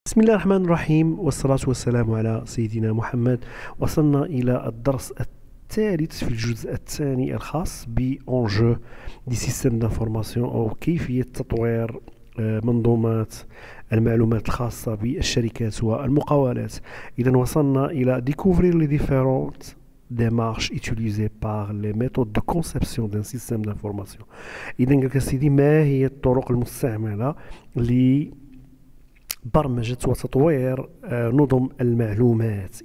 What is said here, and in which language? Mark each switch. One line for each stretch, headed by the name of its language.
Arabic: بسم الله الرحمن الرحيم، والصلاة والسلام على سيدنا محمد. وصلنا إلى الدرس الثالث في الجزء الثاني الخاص بـ
French: Enjeux des systèmes d'information
Arabic: أو كيفية تطوير منظومات المعلومات الخاصة بالشركات والمقاولات. إذا وصلنا إلى
French: découvrir les différentes démarches utilisées par les méthodes de conception d'un système d'information.
Arabic: إذا قال سيدي ما هي الطرق المستعملة لي برمجة وتطوير نظم المعلومات.